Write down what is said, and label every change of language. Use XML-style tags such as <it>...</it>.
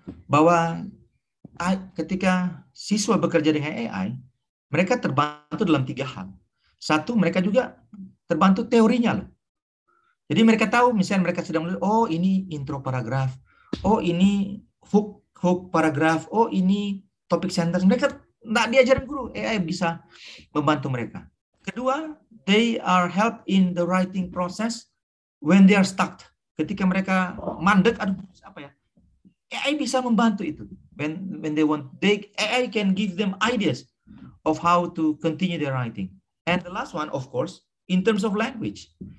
<id>Bahwa ketika siswa bekerja dengan AI, mereka terbantu dalam tiga hal. Satu, mereka juga terbantu teorinya loh. Jadi mereka tahu, misalnya mereka sedang melihat, oh ini intro paragraf, oh ini hook paragraf, oh ini topic center. Mereka tidak diajarin guru, AI bisa membantu mereka.</id> <en>Kedua, they are help in the writing process when they are stuck.</en> <id>Ketika mereka mandek, AI bisa membantu itu.</id> <en>When they want, AI can give them ideas of how to continue their writing. And the last one, of course, in terms of language.</en>